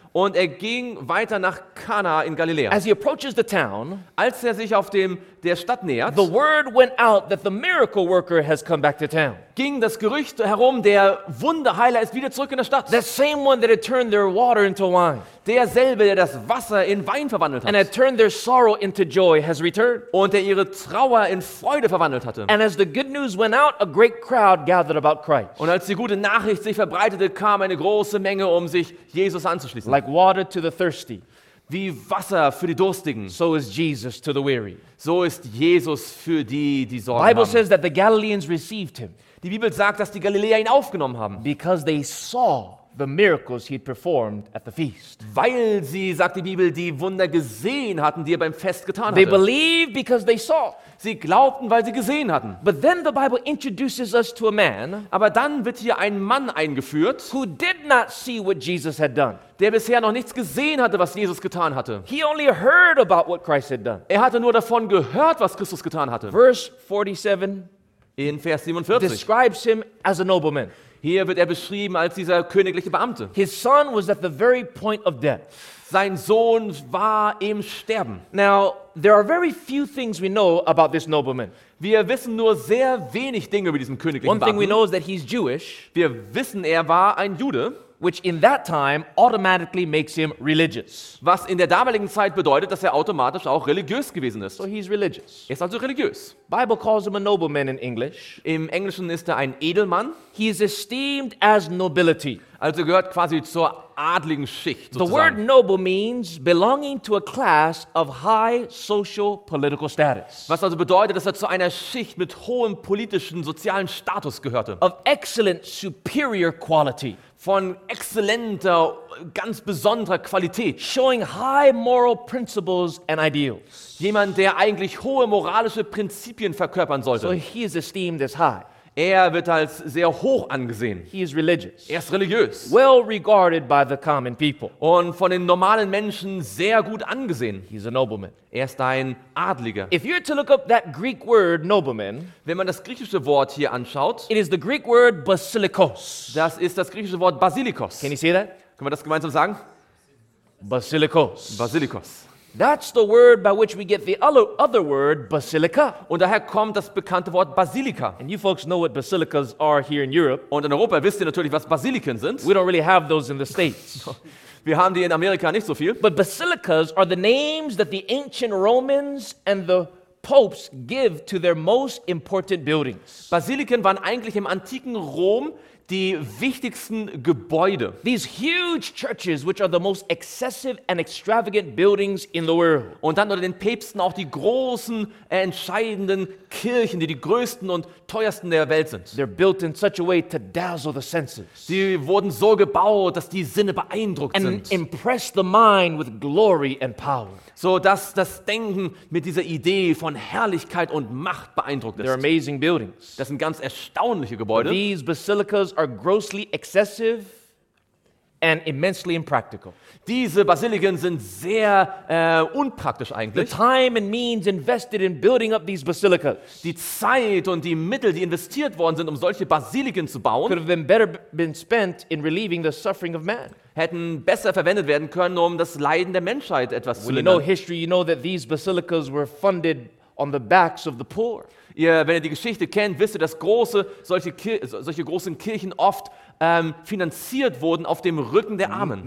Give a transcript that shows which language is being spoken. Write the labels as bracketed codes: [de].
[de] Und er ging weiter nach Kana in Galiläa. [en] As he approaches the town, [de] als er sich auf der Stadt nähert, [en] the word went out that the miracle worker has come back to town. [de] Ging das Gerücht herum, der Wunderheiler ist wieder zurück in der Stadt. [en] The same one that had turned their water into wine. [de] Derselbe, der das Wasser in Wein verwandelt hat. [en] And had turned their sorrow into joy has returned. [de] Und der ihre Trauer in Freude verwandelt hatte. [en] And as the good news went out, a great crowd gathered about Christ. [de] Und als die gute Nachricht sich verbreitete, kam eine große Menge, um sich Jesus anzuschließen. [en] Like water to the thirsty. [de] Wie Wasser für die Durstigen. [en] So is Jesus to the weary. [de] So ist Jesus für die Sorgen haben. [en] The Bible says that the Galileans received him. [de] Die Bibel sagt, dass die Galiläer ihn aufgenommen haben. [en] Because they saw the miracles he had performed at the feast. [de] Weil sie, sagt die Bibel, die Wunder gesehen hatten, die er beim Fest getan hatte. [en] They believed because they saw. [de] Sie glaubten, weil sie gesehen hatten. [en] But then the Bible introduces us to a man. [de] Aber dann wird hier ein Mann eingeführt, [en] who did not see what Jesus had done. [de] Der bisher noch nichts gesehen hatte, was Jesus getan hatte. [en] He only heard about what Christ had done. [de] Er hatte nur davon gehört, was Christus getan hatte. [en] Verse 47. [de] In Vers 47. [en] Describes him as a nobleman. [de] Hier wird er beschrieben als dieser königliche Beamte. [en] His son was at the very point of death. [de] Sein Sohn war im Sterben. [en] Now, there are very few things we know about this nobleman. [de] Wir wissen nur sehr wenig Dinge über diesen königlichen Beamten. [en] One thing we know is that he's Jewish. [de] Wir wissen, er war ein Jude. [en] Which in that time automatically makes him religious. [de] Was in der damaligen Zeit bedeutet, dass er automatisch auch religiös gewesen ist. [en] So he's religious. [de] Er ist also religiös. [en] Bible calls him a nobleman in English. [de] Im Englischen ist er ein Edelmann. [en] He is esteemed as nobility. [de] Also gehört quasi zur adligen Schicht sozusagen. [en] The word noble means belonging to a class of high social political status. [de] Was also bedeutet, dass er zu einer Schicht mit hohem politischen, sozialen Status gehörte. [en] Of excellent superior quality. [de] Von exzellenter, ganz besonderer Qualität. [en] Showing high moral principles and ideals. [de] Jemand, der eigentlich hohe moralische Prinzipien verkörpern sollte. [en] So he is esteemed as high. [de] Er wird als sehr hoch angesehen. [en] He is religious. [de] Er ist religiös. [en] Well regarded by the common people. [de] Und von den normalen Menschen sehr gut angesehen. [en] He's a nobleman. [de] Er ist ein Adliger. [en] If you're to look up that Greek word nobleman, [de] wenn man das griechische Wort hier anschaut, [en] it is the Greek word basilikos. [de] Das ist das griechische Wort basilikos. [en] Can you see that? [de] Können wir das gemeinsam sagen? [en] Basilikos. [de] Basilikos. [en] That's the word by which we get the other word, basilica. [de] Und daher kommt das bekannte Wort Basilika. [en] And you folks know what basilicas are here in Europe. [de] Und in Europa wisst ihr natürlich, was Basiliken sind. [en] We don't really have those in the States. [de] Wir haben die in Amerika nicht so viel. [en] But basilicas are the names that the ancient Romans and the popes give to their most important buildings. [de] Basiliken waren eigentlich im antiken Rom die wichtigsten Gebäude. [en] These huge churches, which are the most excessive and extravagant buildings in the world. [de] Und dann unter den Päpsten auch die großen, entscheidenden Kirchen, die die größten und teuersten der Welt sind. [en] They're built in such a way to dazzle the senses. [de] Sie wurden so gebaut, dass die Sinne beeindruckt [en] and [de] sind. [en] And impress the mind with glory and power. [de] So dass das Denken mit dieser Idee von Herrlichkeit und Macht beeindruckt ist. [en] They're amazing buildings. [de] Das sind ganz erstaunliche Gebäude. [en] These basilicas are grossly excessive and immensely impractical. [de] Diese Basiliken sind sehr unpraktisch eigentlich. [en] The time and means invested in building up these basilicas. [de] Die Zeit und die Mittel, die investiert worden sind, um solche Basiliken zu bauen, [en] could have been better been spent in relieving the suffering of man. [de] Hätten besser verwendet werden können, um das Leiden der Menschheit etwas zu lindern. [en] You know history, you know that these basilicas were funded on the backs of the poor. [de] Ihr, wenn ihr die Geschichte kennt, wisst ihr, dass solche großen Kirchen oft finanziert wurden auf dem Rücken der Armen.